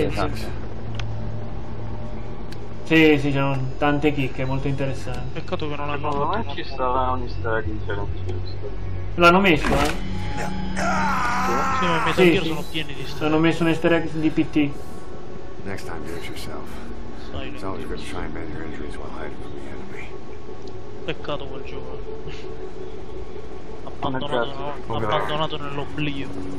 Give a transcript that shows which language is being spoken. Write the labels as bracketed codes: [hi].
[it] esatto. Sì. Sì, c'erano tante chicche, molto interessanti. Peccato che non hanno fatto. Ma ci stava un easter egg in Silent. L'hanno messo, eh? Sì, ma i Metal Gear sono pieni di easter. Hanno messo un easter egg di PT. [en] Next time do it yourself. It's always good to try and mend your injuries while hiding from the enemy. [it] Peccato quel gioco. Abbandonato nell'oblio.